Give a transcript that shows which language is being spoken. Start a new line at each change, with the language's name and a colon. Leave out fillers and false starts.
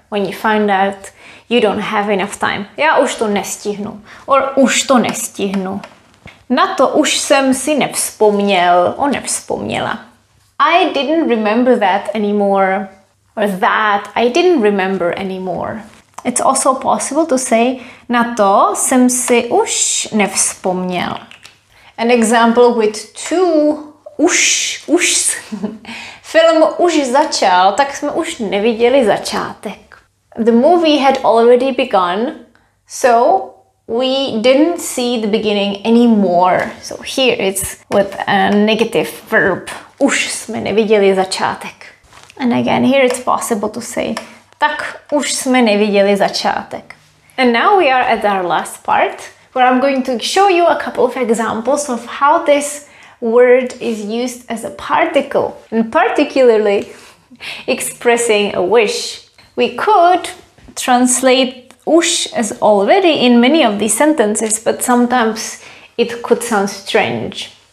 English: When you find out you don't have enough time.
Czech: Já už to nestihnu. Or už to nestihnu. Na to už jsem si nevzpomněl. O nevzpomněla.
English: I didn't remember that anymore. Or that I didn't remember anymore. It's also possible to say
Czech: na to jsem si už nevzpomněl.
English: An example with two už.
Czech: Film už začal, tak jsme už neviděli začátek.
English: The movie had already begun, so we didn't see the beginning anymore. So here it's with a negative verb.
Czech: Už jsme neviděli začátek.
English: And again, here it's possible to say
Czech: tak už jsme neviděli začátek.
English: And now we are at our last part, where I'm going to show you a couple of examples of how this word is used as a particle, and particularly expressing a wish. We could translate už as already in many of these sentences, but sometimes it could sound strange.